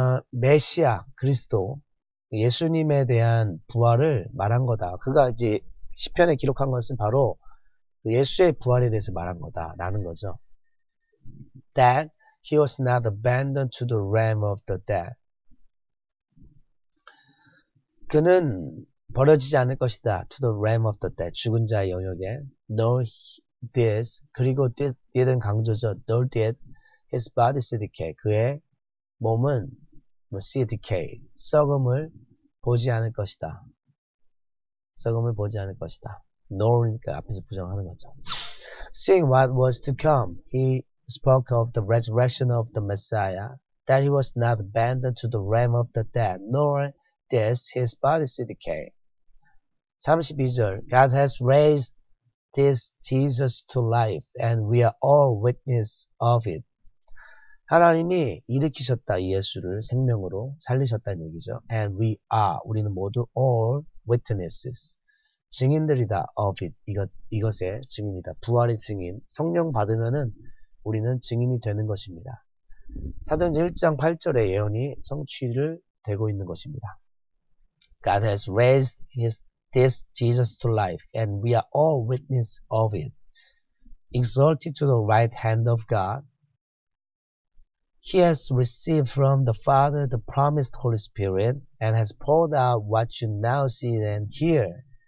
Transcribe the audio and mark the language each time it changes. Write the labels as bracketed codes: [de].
[ko] 메시아, 그리스도, 예수님에 대한 부활을 말한 거다. 그가 이제 시편에 기록한 것은 바로 예수의 부활에 대해서 말한 거다. 라는 거죠. [en] That He was not abandoned to the realm of the dead. [ko] 그는 버려지지 않을 것이다. [en] To the realm of the dead. [ko] 죽은 자의 영역에. [en] Nor did, [ko] 그리고 did은 강조죠. [en] Nor did his body see decay. [ko] 그의 몸은 [en] see decay. [ko] 썩음을 보지 않을 것이다. 썩음을 보지 않을 것이다. Nor니까 앞에서 부정하는 거죠. [en] Seeing what was to come, he spoke of the resurrection of the Messiah, that he was not abandoned to the realm of the dead, nor did his body see decay. 32절, God has raised this Jesus to life, and we are all witness of it. [ko] 하나님이 일으키셨다, 예수를 생명으로 살리셨다는 얘기죠. [en] And we are, [ko] 우리는 모두 [en] all witnesses. [ko] 증인들이다, [en] of it. [ko] 이것의 증인이다. 부활의 증인. 성령 받으면은 우리는 증인이 되는 것입니다. 사도행전 1장 8절의 예언이 성취를 되고 있는 것입니다. [en] God has raised this Jesus to life, and we are all witness of it. Exalted to the right hand of God, he has received from the Father the promised Holy Spirit, and has poured out what you now see and hear.